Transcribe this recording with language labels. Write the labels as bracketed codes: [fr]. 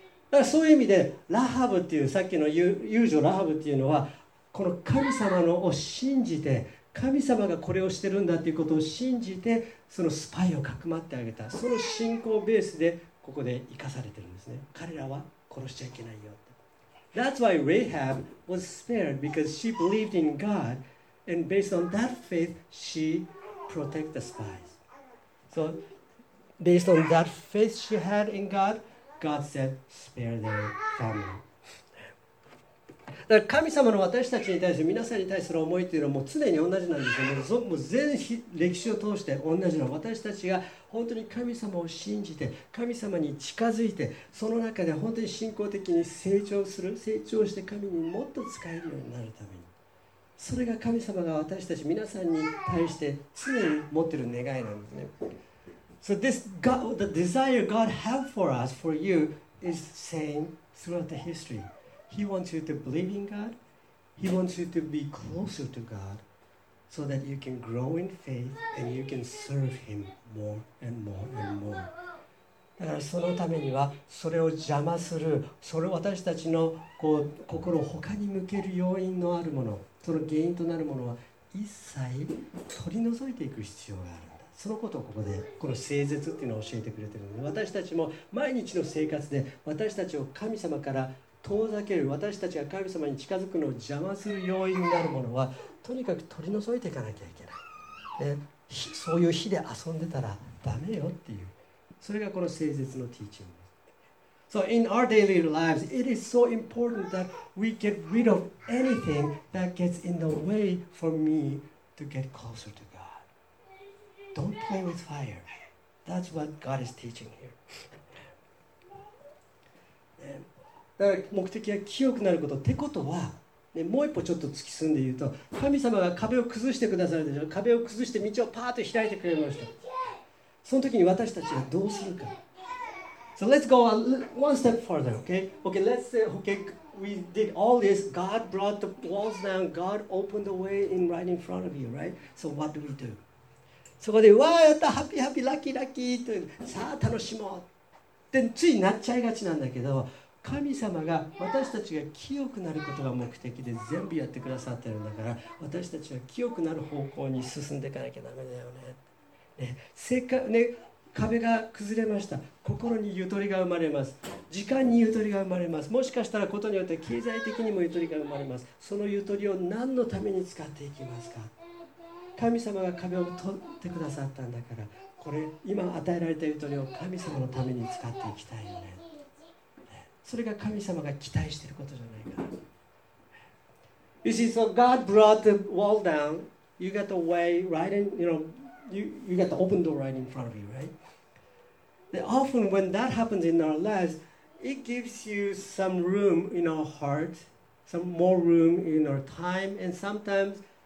[ja] だからそういう意味でラハブっていう、さっきの遊女ラハブっていうのは、この神様のを信じて、神様がこれをしてるんだっていうことを信じて、そのスパイをかくまってあげた、その信仰ベースでここで生かされてるんですね。彼らは殺しちゃいけないよ。 [en] That's why Rahab was spared because she believed in God and based on that faith, she protected the spies. So, based on that faith she had in God, God said, spare their family. [ja] だから神様の私たちに対する、皆さんに対する思いというのはもう常に同じなんですよ。もう全歴史を通して同じの、私たちが本当に神様を信じて、神様に近づいて、その中で本当に信仰的に成長する、成長して神にもっと使えるようになるために、それが神様が私たち皆さんに対して常に持っている願いなんですね。 [en] So this God, the desire God have for us, for you, is same throughout the historyHe wants you to believe in God. He wants you to be closer to God so that you can grow in faith and you can serve Him more and more and more. [ja] だからそのためには、それを邪魔する、それを私たちのこう心を他に向ける要因のあるもの、その原因となるものは一切取り除いていく必要がある。そのことをここで、この聖絶っていうのを教えてくれてるので、私たちも毎日の生活で私たちを神様から遠ざける、私たちが神様に近づくのを邪魔する要因になるものは、とにかく取り除いていかなきゃいけない。で、そういう火で遊んでたらダメよっていう。それがこの聖絶のティーチングです。 [en] So in our daily lives, it is so important that we get rid of anything that gets in the way for me to get closer to God. Don't play with fire. That's what God is teaching here. [ja] だから目的は清くなること。ってことは、ね、もう一歩ちょっと突き進んで言うと、神様が壁を崩してくださるでしょ。壁を崩して道をパーッと開いてくれました。その時に私たちはどうするか。 [en] So let's go one step further, okay? Okay, let's say, okay, we did all this. God brought the walls down. God opened the way in right in front of you, right? So what do we do? [ja] そこで、わーやった、ハッピーハッピー、ラッキーラッキーと、さあ楽しもうってついなっちゃいがちなんだけど、神様が私たちが清くなることが目的で全部やってくださってるんだから、私たちは清くなる方向に進んでいかなきゃダメだよ ね, ね, せっかね壁が崩れました。心にゆとりが生まれます。時間にゆとりが生まれます。もしかしたらことによって経済的にもゆとりが生まれます。そのゆとりを何のために使っていきますか。神様が壁を取ってくださったんだから、これ今与えられたゆとりを神様のために使っていきたいよね。それが神様が期待していることじゃないか。 [en] You see, so God brought the wall down. You got the way right in, you know, you got the open door right in front of you, right? Then often when that happens in our lives, it gives you some room in our heart, some more room in our time, and sometimes